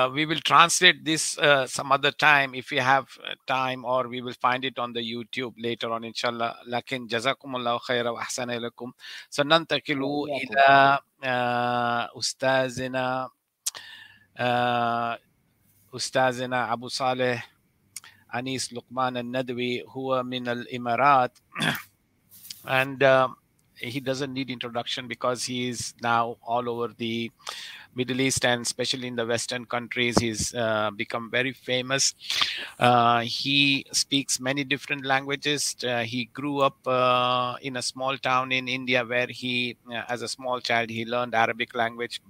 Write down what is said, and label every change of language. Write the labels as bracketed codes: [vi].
[en] We will translate this some other time if we have time, or we will find it on the YouTube later on, inshallah. [ar] لكن جزاكم الله خيرا وأحسن إليكم. سننتقل إلى أستاذنا أستاذنا أبو صالح أنيس لقمان الندوي, هو من الإمارات. [en] And he doesn't need introduction because he is now all over the Middle East, and especially in the Western countries, he's become very famous. He speaks many different languages. He grew up in a small town in India where he, as a small child, he learned Arabic language.